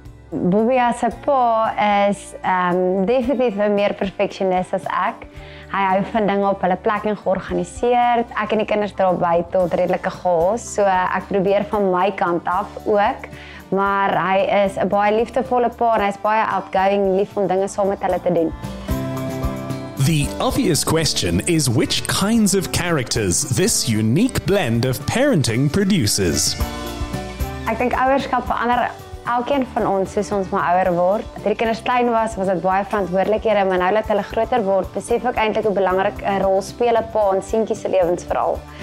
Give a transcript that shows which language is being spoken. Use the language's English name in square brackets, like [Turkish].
[Afrikaans] Bobby as 'n pa is definitief 'n meer perfectionist as ek. Hy hou van dinge op hulle plek en georganiseer. Ek en die kinders dra by tot redelike chaos, so ek probeer van my kant af ook. Maar hy is 'n baie liefdevolle pa en hy's baie outgoing, lief om dinge saam met hulle te doen. [English] The obvious question is which kinds of characters this unique blend of parenting produces. [Afrikaans] Ek dink ouerskap verander elkeen van ons soos ons maar ouer word. Toe die kinders klein was dit baie verantwoordelikhede, maar nou dat hulle groter word, besef ek eintlik hoe belangrik 'n rol speel 'n pa in seentjies se lewens veral.